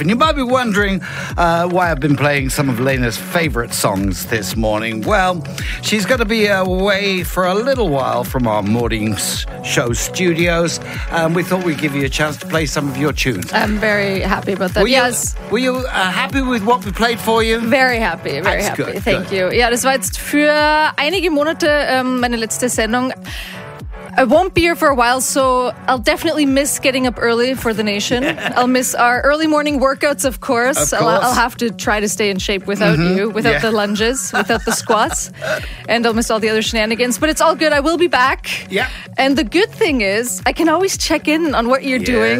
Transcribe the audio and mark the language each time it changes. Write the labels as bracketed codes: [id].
[en] And you might be wondering why I've been playing some of Lena's favorite songs this morning. Well, she's going to be away for a little while from our morning show studios. And we thought we'd give you a chance to play some of your tunes. I'm very happy about that. Yes. Were you happy with what we played for you? Very happy. Very happy. Good. Thank you. [de] Yeah, das war jetzt für einige Monate meine letzte Sendung. [en] I won't be here for a while, so I'll definitely miss getting up early for the nation. I'll miss our early morning workouts, of course. I'll have to try to stay in shape without you, without the lunges, without the squats. And I'll miss all the other shenanigans. But it's all good. I will be back. Yeah. And the good thing is, I can always check in on what you're doing.